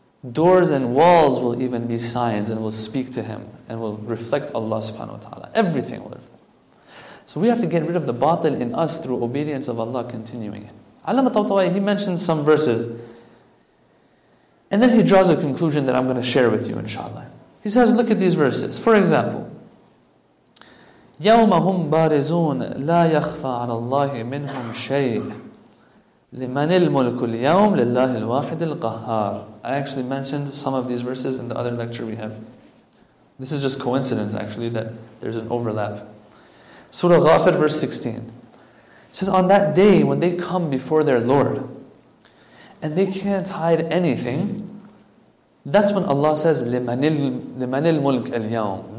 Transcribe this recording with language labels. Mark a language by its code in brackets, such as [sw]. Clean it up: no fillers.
[en] Doors and walls will even be signs and will speak to him and will reflect Allah subhanahu wa ta'ala. Everything will reflect. So we have to get rid of the batil in us through obedience of Allah continuing it. Allama Tawtawai, he mentions some verses. And then he draws a conclusion that I'm going to share with you inshallah. He says, look at these verses. For example, [ar] يَوْمَ هُمْ بَارِزُونَ لَا يَخْفَى عَلَى اللَّهِ مِنْهُمْ شَيْءٍ لِمَنِ الْمُلْكُ الْيَوْمِ لِلَّهِ الْوَاحِدِ الْقَهَّارِ. [en] I actually mentioned some of these verses in the other lecture we have. This is just coincidence actually that there's an overlap. Surah Ghafir verse 16. It says, on that day when they come before their Lord and they can't hide anything, that's when Allah says, [ar] لِمَنِ الْمُلْكُ الْيَوْمِ.